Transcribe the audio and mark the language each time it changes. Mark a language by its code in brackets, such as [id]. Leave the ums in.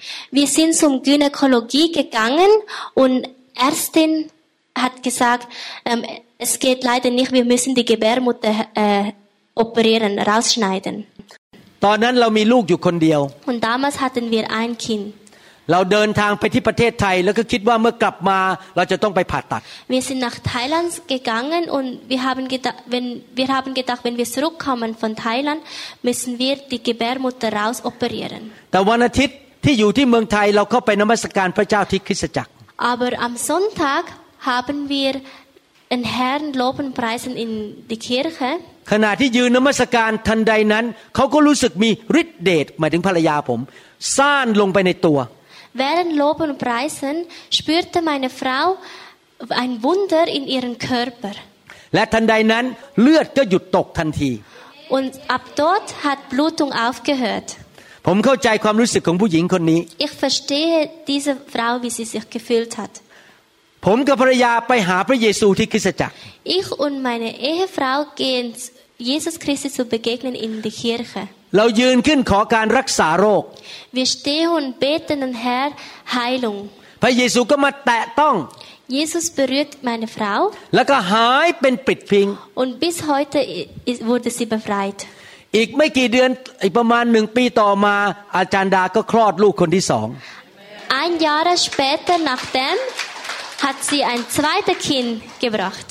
[de] wir sind zum Gynäkologie gegangen und Ärztin hat ja gesagt es geht leider nicht wir müssen die Gebärmutter äh, operieren, rausschneiden. [th] ตอนนั้นเรามีลูกอยู่คนเดียว [de] Und damals hatten wir ein Kind. [th] เราเดินทางไปที่ประเทศไทย แล้วก็คิดว่าเมื่อกลับมาเราจะต้องไปผ่าตัด [de] Wir sind nach Thailand gegangen und wir haben gedacht, wenn wir haben gedacht, wenn wir zurückkommen von Thailand, müssen wir die Gebärmutter raus operieren. [th] แต่วันอาทิตย์ที่อยู่ที่เมืองไทยเราเข้าไปนมัสการพระเจ้าที่คริสตจักร [de] Aber am Sonntag haben wir den Herrn loben preisen in die Kirche. [th] ขณะที่ยืนนมัสการทันใดนั้นเขาก็รู้สึกมีฤทธิ์เดชหมายถึงภรรยาผมซ่านลงไปในตัว [de] Während loben und preisen spürte meine Frau ein Wunder in ihrem Körper [th] และทันใดนั้นเลือดก็หยุดตกทันที [de] Und ab dort hat Blutung aufgehört [th] ผมเข้าใจความรู้สึกของผู้หญิงคนนี้ [de] Ich verstehe diese Frau wie sie sich gefühlt hat [th] ผมกับภรรยาไปหาพระเยซูที่คริสตจักร [de] Ich und meine Ehefrau gehen Jesus Christus zu begegnen in die Kirche [th] เรายืนขึ้นขอการรักษาโรค [de] Wir stehen beten an Herr Heilung [th] พระเยซูก็มาแตะต้อง [de] Jesus berührt meine Frau [th] แล้วก็หายเป็นปิดพิง [de] Und bis heute wurde sie befreit [th] อีกไม่กี่เดือนอีกประมาณหนึ่งปีต่อมา อาจารย์ดาก็คลอดลูกคนที่สอง [de] Ein Jahr später nachdem hat sie ein zweites Kind gebracht.